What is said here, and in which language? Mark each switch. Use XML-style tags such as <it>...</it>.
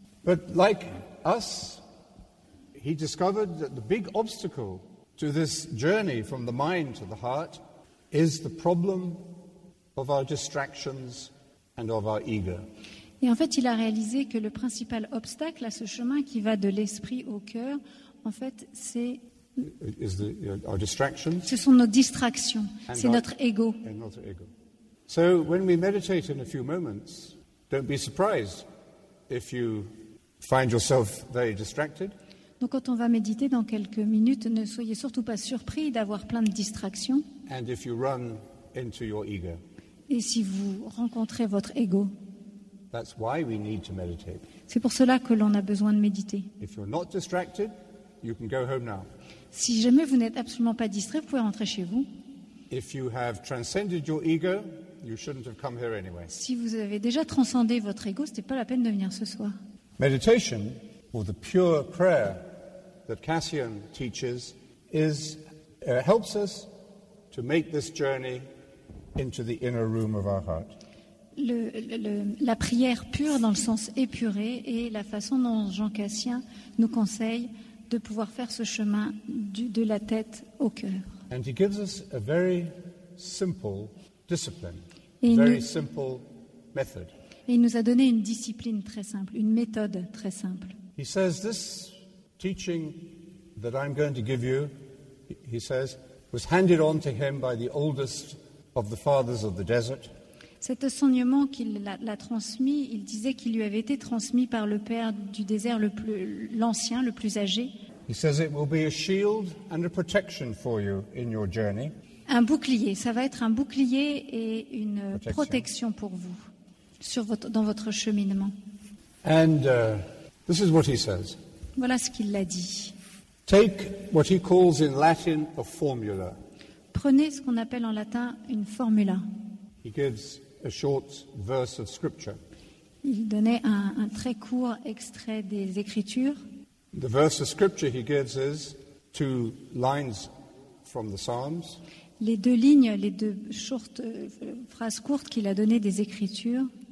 <en>But like us, he discovered that the big obstacle to this journey from the mind to the heart is the problem of our distractions and of our ego.</en> <fr>Et en fait, il a réalisé que le principal obstacle à ce chemin qui va de l'esprit au cœur, en fait, ce sont nos distractions, c'est notre ego.</fr> <en>So when we meditate in a few moments, don't be surprised if you find yourself very distracted.</en> <fr>Donc quand on va méditer dans quelques minutes, ne soyez surtout pas surpris d'avoir plein de distractions.</fr> <en>And if you run into your ego.</en> <fr>Et si vous rencontrez votre ego.</fr> <en>That's why we need to meditate.</en> <fr>C'est pour cela que l'on a besoin de méditer.</fr> <en>If you're not distracted, you can go home now.</en> <fr>Si jamais vous n'êtes absolument pas distrait, vous pouvez rentrer chez vous.</fr> <en>If you have transcended your ego, you shouldn't have come here anyway.</en> <fr>Si vous avez déjà transcendé votre ego, ce n'était pas la peine de venir ce soir.</fr> <en>Meditation, or the pure prayer that Cassian teaches, helps us to make this journey into the inner room of our heart.</en> <fr>La prière pure dans le sens épuré est la façon dont Jean Cassien nous conseille de pouvoir faire ce chemin de la tête au cœur.</fr> <en>And he gives us a very simple discipline, a very simple method.</en> <fr>Et il nous a donné une discipline très simple, une méthode très simple.</fr> <en>He says this teaching that I'm going to give you, he says, was handed on to him by the oldest of the fathers of the desert.</en> <fr>Cet enseignement qu'il l'a transmis, il disait qu'il lui avait été transmis par le père du désert, l'ancien, le plus âgé.</fr> <en>He says it will be a shield and a protection for you in your journey.</en> <fr>Un bouclier, ça va être un bouclier et une protection pour vous dans votre cheminement.</fr> <en>And this is what he says.</en> <fr>Voilà ce qu'il l'a dit.</fr> <en>Take what he calls in Latin a formula.</en> <fr>Prenez ce qu'on appelle en latin une formula.</fr> <en>He gives a short verse of scripture.</en> <fr>Il donnait un très court extrait des Écritures.</fr> <en>The verse of scripture he gives is two lines from the Psalms.</en> <fr>Les deux lignes, les deux phrases courtes qu'il a données des Écritures.</fr>